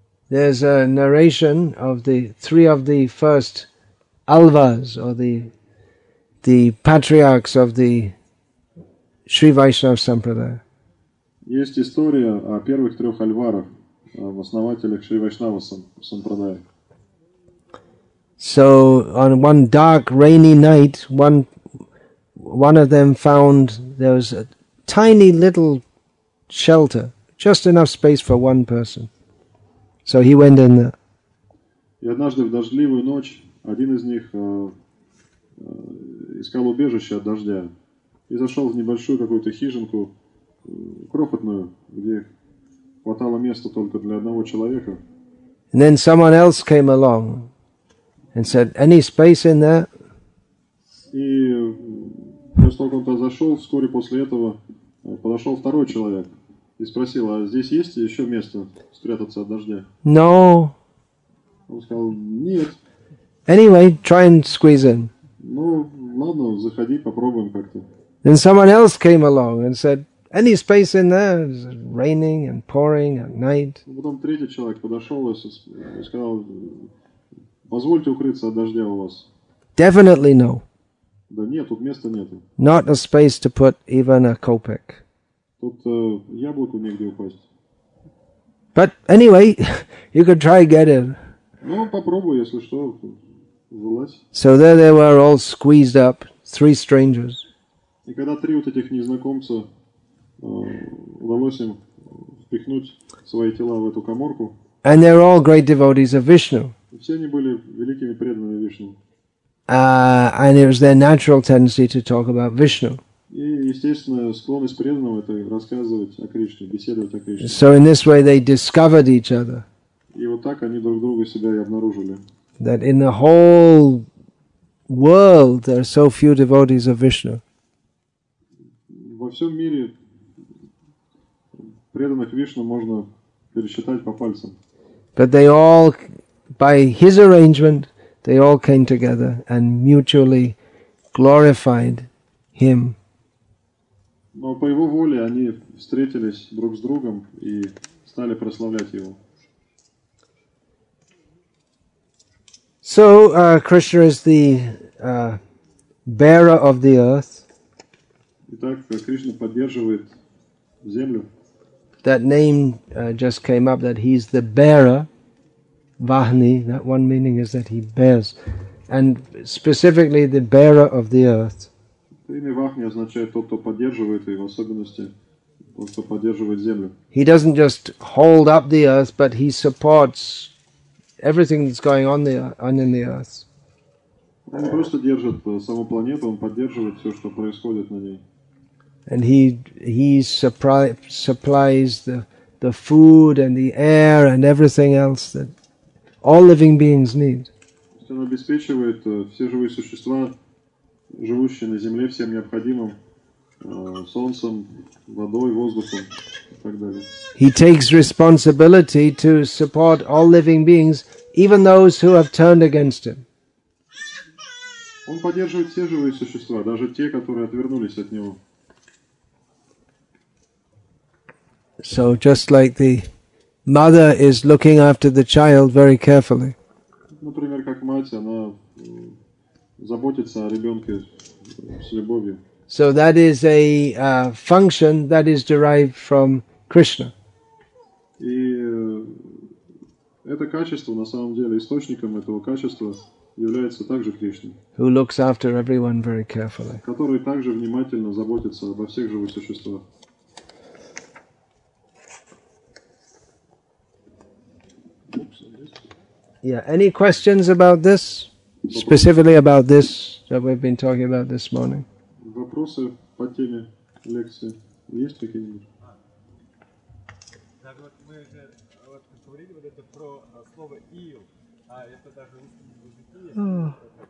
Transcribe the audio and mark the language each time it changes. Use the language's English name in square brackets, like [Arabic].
[English] There's a narration of the three of the first alvas, or the patriarchs of the Sri Vaishnav Sampradaya. [Russian] Есть история о первых трех альварах, об основателях Шри Вайшнава Сампрадая. [English] So, on one dark, rainy night, one of them found there was a tiny little shelter, just enough space for one person. So he went in there. [Russian] И однажды в дождливую ночь один из них искал убежище от дождя и зашел в небольшую какую-то хижинку, крохотную, где хватало места только для одного человека. [English] And then someone else came along and said, "Any space in there?" [Russian] И после того, как он туда зашел, вскоре после этого подошел второй человек и спросил, а здесь есть еще место спрятаться от дождя? [English] No. [Russian] Он сказал, нет. [English] Anyway, try and squeeze in. [Russian] Ну, ладно, заходи, попробуем как-то. [English] Then someone else came along and said, any space in there? It's raining and pouring at night. [Russian] Потом третий человек подошел и сказал, позвольте укрыться от дождя у вас. [English] Definitely no. [Russian] Да нет, тут места нету. [English] Not a space to put even a kopeck. [Russian] Тут яблоку негде упасть. [English] But anyway, you could try get in. [Russian] Ну, попробуй, если что, вылазь. [English] So there they were all squeezed up, three strangers. [Russian] И когда три вот этих незнакомца удалось им впихнуть свои тела в эту каморку. [English] And they're all great devotees of Vishnu. [Russian] И все они были великими преданными Вишну. [English] And it was their natural tendency to talk about Vishnu. [Russian] И, естественно, склонность преданного — это рассказывать о Кришне, беседовать о Кришне. [English] So in this way they discovered each other. [Russian] И вот так они друг друга себя и обнаружили. [English] That in the whole world there are so few devotees of Vishnu. [Russian] Во всем мире преданных Вишну можно пересчитать по пальцам. [English] But they all, by his arrangement, they all came together and mutually glorified him. [Russian] Но по его воле они встретились друг с другом и стали прославлять его. [English] So Krishna is the bearer of the earth. [Russian] Итак, Кришна поддерживает землю. [English] That name just came up, that he's the bearer. Vahni, that one meaning is that he bears, and specifically the bearer of the earth. [Russian] Имя Вахни означает тот, кто поддерживает, и в особенности тот, кто поддерживает землю. [English] He doesn't just hold up the earth, but he supports everything that's going on in the earth. [Russian] Он не просто держит саму планету, он поддерживает все, что происходит на ней. [English] And he supplies the food and the air and everything else that all living beings need. [Russian] Он обеспечивает все живые существа, живущие на земле, всем необходимым: солнцем, водой, воздухом и так далее. [English] He takes responsibility to support all living beings, even those who have turned against him. [Russian] Он поддерживает все живые существа, даже те, которые отвернулись от него. [English] So just like the mother is looking after the child very carefully. [Russian] Например, как мать, она заботится о ребенке с любовью. [English] So that is a function that is derived from Krishna. [Russian] И это качество, на самом деле, источником этого качества является также Кришна. [English] Who looks after everyone very carefully. [Russian] Который также внимательно заботится обо всех живых существах. [English] Yeah, any questions about this? Specifically about this that we've been talking about this morning? [Russian] Вопросы по теме лекции есть какие-нибудь? Так вот, мы же говорили вот это про слово ил, а это даже русский язык, это